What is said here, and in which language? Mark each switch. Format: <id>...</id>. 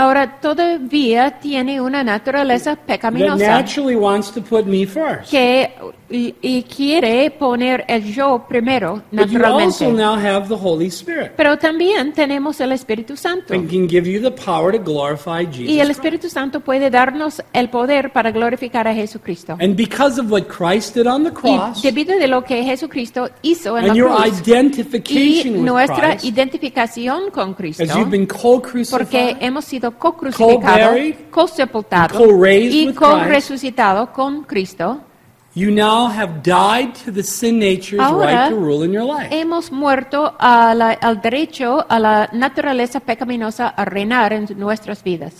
<es>Ahora todavía tiene una naturaleza pecaminosa.</es> <en>That naturally wants to put me first.</en> <es>Que y quiere poner el yo primero, naturalmente.</es> <en>But you also now have the Holy Spirit.</en> <es>Pero también tenemos el Espíritu Santo.</es> <en>And can give you the power to glorify Jesus.</en> <es>Y el Espíritu Santo puede darnos el poder para glorificar a Jesucristo.</es> <en>And because of what Christ did on the cross.</en> <es>Y debido de lo que Jesucristo hizo en la cruz.</es> <en>And your identification with Christ.</en> <es>Y nuestra identificación con Cristo.</es> <en>As you've been co-crucified,</en> <es>porque hemos sido co-crucificados, co-sepultados y co-resucitados con Cristo.</es> <en>You now have died to the sin nature's</en> <es>ahora,</es> <en>right to rule in your life.</en> <es>Hemos muerto a la, al derecho a la naturaleza pecaminosa a reinar en nuestras vidas.</es>